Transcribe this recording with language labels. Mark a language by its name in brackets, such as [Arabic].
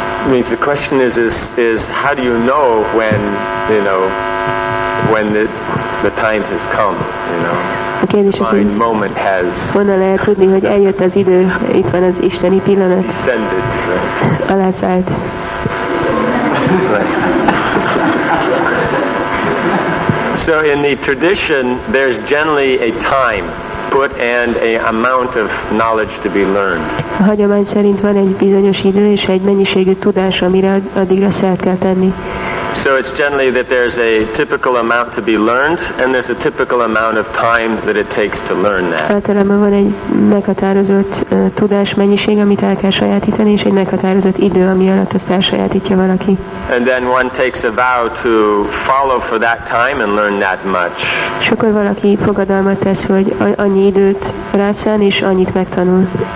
[English] Means the question is how do you know when, you know, when the time has come, you know, [Hungarian] a kérdés [English] divine [Hungarian] az, hogy [English] moment has. [Hungarian] Honnan lehet tudni, hogy eljött az idő, itt van az isteni pillanat. [English] Descended, right? [Hungarian] Alászállt. [English] Right. So in the tradition, there's generally a time put and an amount of knowledge to be learned. [Hungarian] A hagyomány szerint van egy bizonyos idő és egy mennyiségű tudás, amire addigra szert kell tenni. [English] So it's generally that there's a typical amount to be learned, and there's a typical amount of time that it takes to learn that. [Hungarian] Általában van egy meghatározott tudás mennyiség, amit el kell sajátítani, és egy meghatározott idő, ami alatt azt elsajátítja valaki. [English] And then one takes a vow to follow for that time and learn that much. [Hungarian] És akkor valaki fogadalmat tesz, hogy annyi időt rászán, és annyit megtanul.